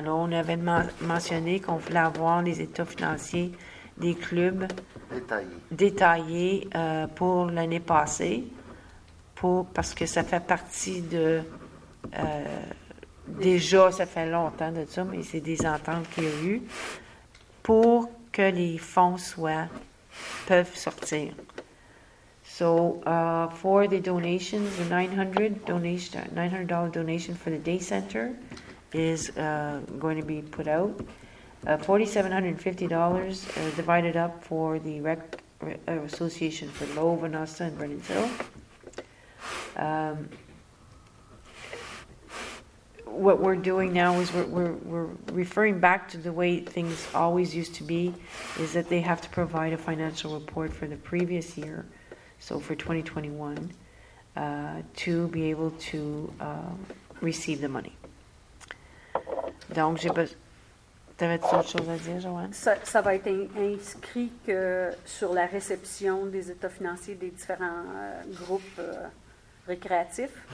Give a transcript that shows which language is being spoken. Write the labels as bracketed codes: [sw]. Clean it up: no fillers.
[fr] Là, on avait mentionné qu'on voulait avoir les états financiers des clubs détaillés pour l'année passée parce que ça fait partie de... Déjà, ça fait longtemps de ça, mais c'est des ententes qu'il y a eu pour que les fonds peuvent sortir. [en] So, for the donations, the $900 donation for the day center is going to be put out. $4,750 divided up for the rec association for Louvain-Austin and Brennan-Sill. What we're doing now is we're referring back to the way things always used to be, is that they have to provide a financial report for the previous year, so for 2021, to be able to receive the money. [fr] Donc, j'ai pas... T'avais-tu autre chose à dire, Joanne? Ça va être inscrit que sur la réception des états financiers des différents groupes récréatifs.